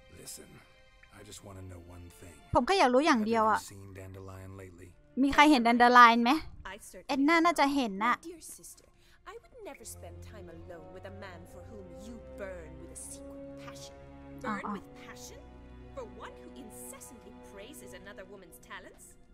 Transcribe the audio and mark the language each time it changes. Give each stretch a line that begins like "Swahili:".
English: Listen, I just want to know one thing.
Thai: ผมก็อยากรู้อย่างเดียวอ่ะ
English: Have you seen Dandelion lately?
Thai: มีใครเห็น Dandelion ไหม Edna น่าจะเห็นน่ะ
English: Dear sister, I would never spend time alone with a man for whom you burn with a secret passion. Burn with passion for one who incessantly praises another woman's talents.